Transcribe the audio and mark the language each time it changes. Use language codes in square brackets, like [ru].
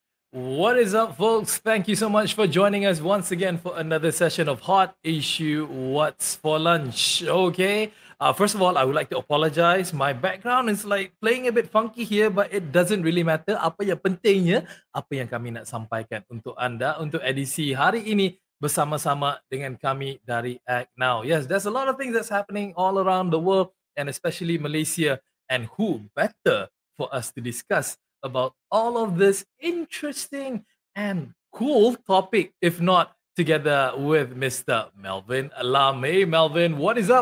[en] What is up, folks? Thank you so much for joining us once again for another session of Hot Issue, What's for Lunch? Okay, first of all, I would like to apologize. My background is like playing a bit funky here, but it doesn't really matter. [ms] Apa yang pentingnya, apa yang kami nak sampaikan untuk anda untuk edisi hari ini bersama-sama dengan kami dari Act Now. [en] Yes, there's a lot of things that's happening all around the world and especially Malaysia. And who better for us to discuss about all of this interesting and cool topic, if not together with Mr. Melvin Lam. Hey, Melvin, what is up?